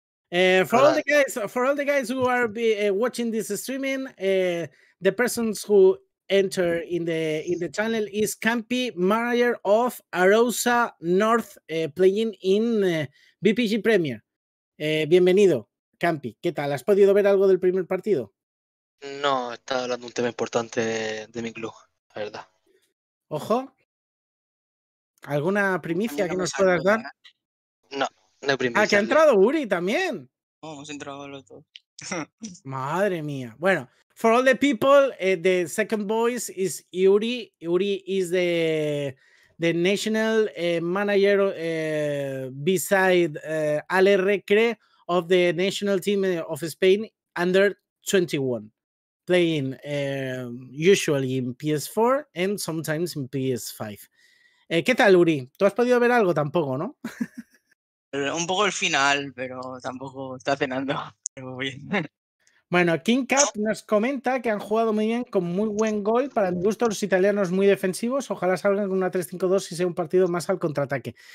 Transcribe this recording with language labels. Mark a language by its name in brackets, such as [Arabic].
[English] For all the guys who are watching this streaming, the persons who enter in the channel is Campi, manager of Arosa North, playing in BPG Premier. [Spanish] Bienvenido. Campi, ¿qué tal? ¿Has podido ver algo del primer partido? No, está hablando un tema importante de mi club, la verdad. Ojo. ¿Alguna primicia que nos puedas dar? No, no hay primicia. Ah, que ha entrado Uri también. Oh, hemos entrado los dos. Madre mía. [English] Bueno, for all the people, the second voice is Uri. Uri is the national manager beside Ale Recre, of the national team of Spain under 21. playing usually in PS4 and sometimes in PS5. [Spanish] ¿Qué tal, Uri? ¿Tú has podido ver algo tampoco, no? Un poco el final, pero tampoco está cenando. Pero bien. Bueno, King Cap nos comenta que han jugado muy bien, con muy buen gol. Para mi gusto, los italianos muy defensivos. Ojalá salgan con una 3-5-2 y sea un partido más al contraataque.